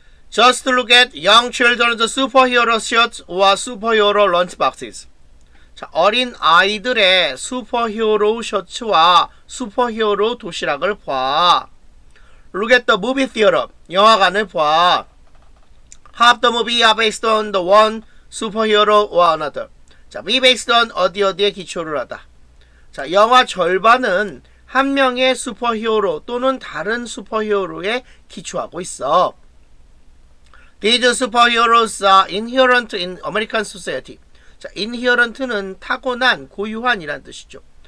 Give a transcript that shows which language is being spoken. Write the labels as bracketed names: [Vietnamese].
[English] Just look at young children's superhero shirts or superhero lunch boxes. [Korean] 자, 어린 아이들의 슈퍼히어로 셔츠와 슈퍼히어로 도시락을 봐. [English] Look at the movie theater. [Korean] 영화관을 봐. [English] Half the movie are based on the one superhero or another. [Korean] 자, be based on 어디 어디에 기초를 하다. 자, 영화 절반은 한 명의 슈퍼히어로 또는 다른 슈퍼히어로에 기초하고 있어. [English] These superheroes are inherent in American society. [Korean] 자, inherent는 타고난, 고유한이란 뜻이죠.